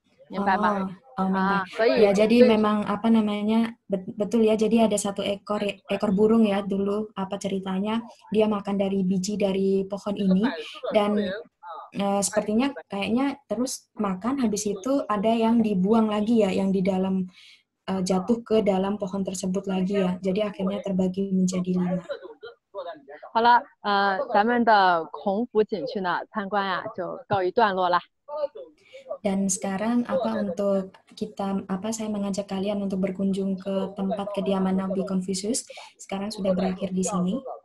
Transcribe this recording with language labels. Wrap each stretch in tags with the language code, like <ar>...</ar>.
<id>Jadi ada satu ekor burung ya dulu apa ceritanya dia makan dari biji dari pohon ini dan sepertinya kayaknya terus makan habis itu ada yang dibuang lagi ya yang di dalam jatuh ke dalam pohon tersebut lagi ya jadi akhirnya terbagi menjadi lima.</id> <zh>好了，咱们的孔府景区呢，参观呀就告一段落了。</zh> <id>Dan sekarang apa untuk kita apa saya mengajak kalian untuk berkunjung ke tempat kediaman Nabi Confucius sekarang sudah berakhir di sini.</id>